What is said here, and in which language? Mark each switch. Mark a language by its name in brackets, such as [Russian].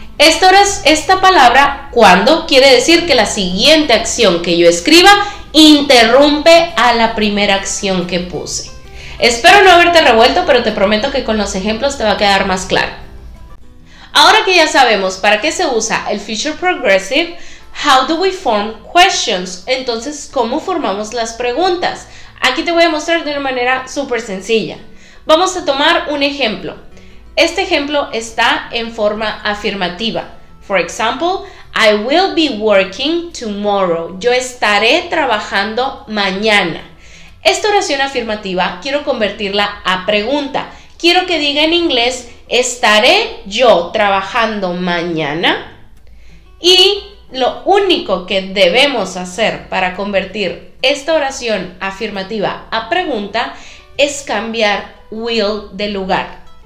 [Spanish] Esta palabra, cuando, quiere decir que la siguiente acción que yo escriba interrumpe a la primera acción que puse. Espero no haberte revuelto, pero te prometo que con los ejemplos te va a quedar más claro. Ahora que ya sabemos para qué se usa el Future Progressive, [English] How do we form questions? [Spanish] Entonces, ¿cómo formamos las preguntas? Aquí te voy a mostrar de una manera súper sencilla. Vamos a tomar un ejemplo. Este ejemplo está en forma afirmativa. [English] For example, I will be working tomorrow. [Spanish] Yo estaré trabajando mañana. Esta oración afirmativa quiero convertirla a pregunta. Quiero que diga en inglés, ¿estaré yo trabajando mañana? Y lo único que debemos hacer para convertir esta oración afirmativa a pregunta es cambiar will de lugar.